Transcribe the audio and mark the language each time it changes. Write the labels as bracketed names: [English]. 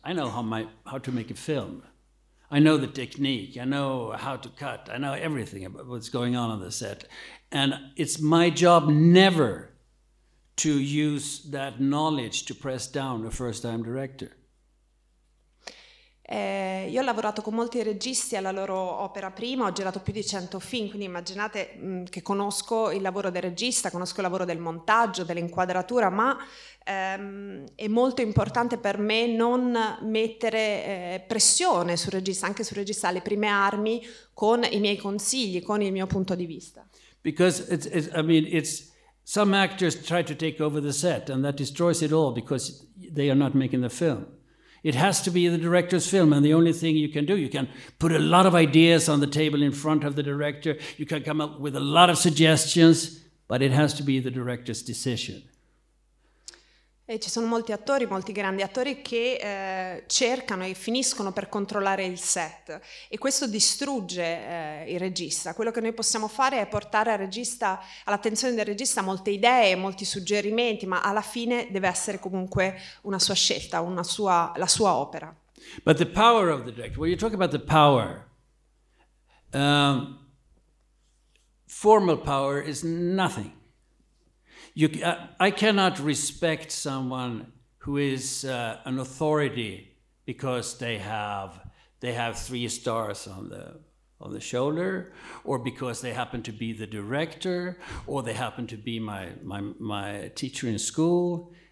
[English] I know how to make a film. I know the technique, I know how to cut, I know everything about what's going on the set. And it's my job never to use that knowledge to press down a first-time director. [Italian] Io ho lavorato con molti registi alla loro opera prima, ho girato più di 100 film, quindi immaginate che conosco il lavoro del regista, conosco il lavoro del montaggio, dell'inquadratura, ma è molto importante per me non mettere pressione sul regista, anche sul regista alle prime armi, con i miei consigli, con il mio punto di vista. [English] Because some actors try to take over the set, and that destroys it all because they are not making the film. It has to be the director's film, and the only thing you can do, you can put a lot of ideas on the table in front of the director, you can come up with a lot of suggestions, but it has to be the director's decision. [Italian] E ci sono molti attori, molti grandi attori che cercano e finiscono per controllare il set, e questo distrugge il regista. Quello che noi possiamo fare è portare all'attenzione del regista molte idee, molti suggerimenti, ma alla fine deve essere comunque una sua scelta, la sua opera. [English] But the power of the director, when you talk about the power, formal power is nothing. I cannot respect someone who is an authority because they have three stars on the shoulder, or because they happen to be the director, or they happen to be my teacher in school.